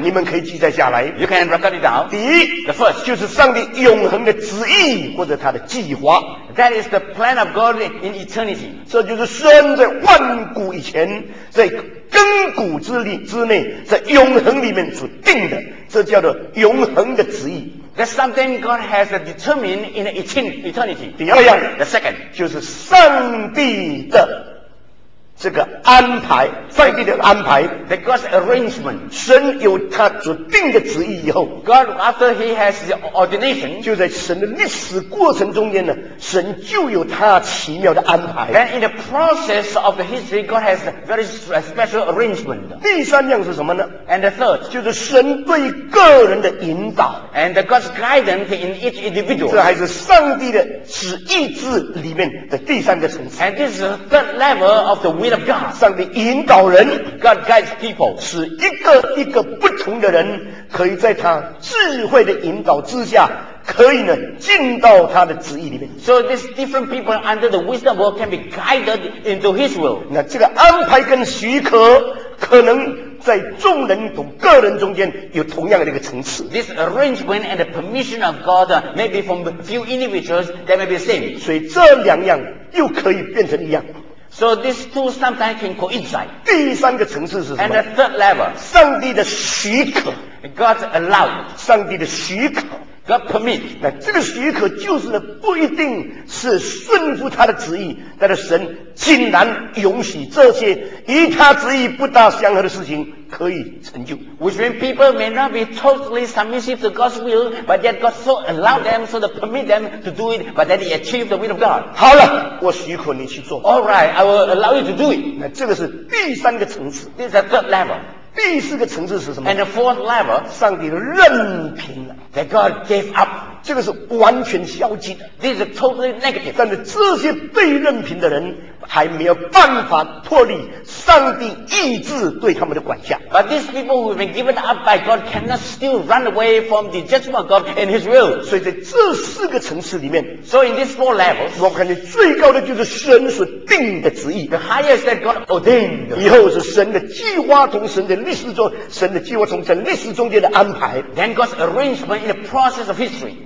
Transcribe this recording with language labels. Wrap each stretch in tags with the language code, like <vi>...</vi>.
<zh>你们可以记载下来。</zh> <en>You can record it down.</en> <zh>第一。</zh> <en>The first,</en> <zh>就是上帝永恒的旨意或者他的计划。</zh> <en>That is the plan of God in eternity.</en> <zh>这就是神在万古以前，在亘古之内，在永恒里面所定的，这叫做永恒的旨意。</zh> <en>That's something God has determined in eternity.</en> <zh>第二样。</zh> <en>The second,</en> <zh>就是上帝的这个安排，上帝的安排。</zh> <en>The God's arrangement.</en> <zh>神有他所定的旨意以后。</zh> <en>God, after he has the ordination.</en> <zh>就在神的历史过程中间呢，神就有他奇妙的安排。</zh> <en>And in the process of the history, God has a very special arrangement.</en> <zh>第三样是什么呢？</zh> <en>And the third.</en> <zh>就是神对个人的引导。</zh> <en>And the God's guidance in each individual.</en> <zh>这还是上帝的旨意志里面的第三个层次。</zh> <en>And this is the third level of the will of God.</en> <zh>上帝引导人，</zh> <en>God guides people，</en> <zh>使一个一个不同的人可以在他智慧的引导之下，可以呢进到他的旨意里面。</zh> <en>So these different people under the wisdom of God can be guided into His will.</en> <zh>那这个安排跟许可，可能在众人同个人中间有同样的一个层次。</zh> <en>This arrangement and the permission of God may be from few individuals that may be the same.</en> <zh>所以这两样又可以变成一样。</zh> <en>So these two sometimes can coincide.</en> <zh>第三个层次是什么？</zh> <en>And the third level.</en> <zh>上帝的许可。</zh> <en>God's allowed.</en> <zh>上帝的许可。</zh> <en>God permit.</en> <zh>那这个许可就是不一定是顺服他的旨意，但是神竟然允许这些与他旨意不大相合的事情可以成就。</zh> <en>Which means people may not be totally submissive to God's will, but yet God so allowed them, so to permit them to do it, but then they achieve the will of God.</en> <zh>好了，我许可你去做。</zh> <en>All right, I will allow you to do it.</en> <zh>那这个是第三个层次。</zh> <en>This is the third level.</en> <zh>第四个层次是什么</zh> <en>？And the fourth level,</en> <zh>上帝任凭了</zh> <en>，that God gave up，</en> <zh>这个是完全消极的</zh> <en>，this is totally negative。</en> <zh>但是这些被任凭的人还没有办法脱离上帝意志对他们的管辖。</zh> <en>But these people who have been given up by God cannot still run away from the judgment of God and His will。</en> <zh>所以在这四个层次里面</zh> <en>，So in these four levels，</en> <zh>我看见最高的就是神所定的旨意</zh> <en>，the highest that God ordained。</en> <zh>以后是神的计划，同神的历史中，神的计划从神历史中间的安排。</zh> <en>Then God's arrangement in the process of history。</en>